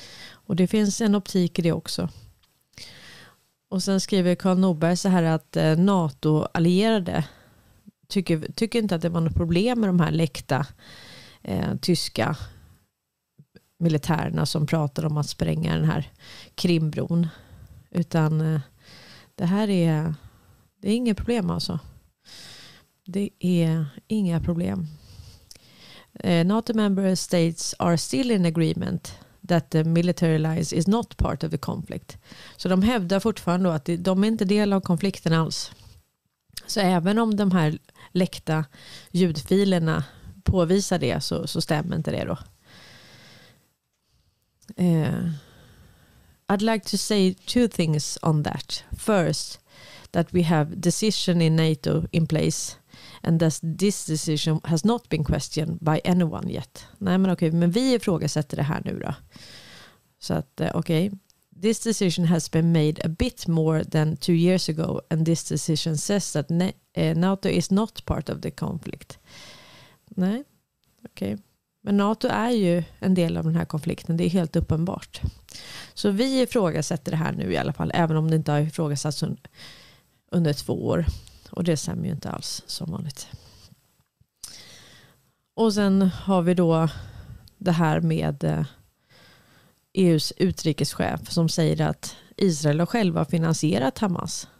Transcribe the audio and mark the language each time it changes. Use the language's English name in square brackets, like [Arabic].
[Swedish] Och det finns en optik i det också. Och sen skriver Carl Norberg så här att NATO-allierade tycker inte att det var något problem med de här läckta tyska militärerna som pratar om att spränga den här Krimbron. Utan det här är, det är inget problem alltså. Det är inga problem. [English] NATO member states are still in agreement that the military alliance is not part of the conflict. [Swedish] Så de hävdar fortfarande att de är inte del av konflikten alls. Så även om de här läckta ljudfilerna påvisar det, så stämmer inte det då. [English] I'd like to say two things on that. First, that we have decision in NATO in place and that this decision has not been questioned by anyone yet. [Swedish] Nej, men okej, men vi ifrågasätter det här nu då. Så att okej. [English] This decision has been made a bit more than 2 years ago and this decision says that NATO is not part of the conflict. [Swedish] Nej, okej. Men NATO är ju en del av den här konflikten, det är helt uppenbart. Så vi ifrågasätter det här nu i alla fall, även om det inte har ifrågasatts under 2 år. Och det stämmer ju inte alls, som vanligt. Och sen har vi då det här med EUs utrikeschef som säger att Israel har själva finansierat Hamas.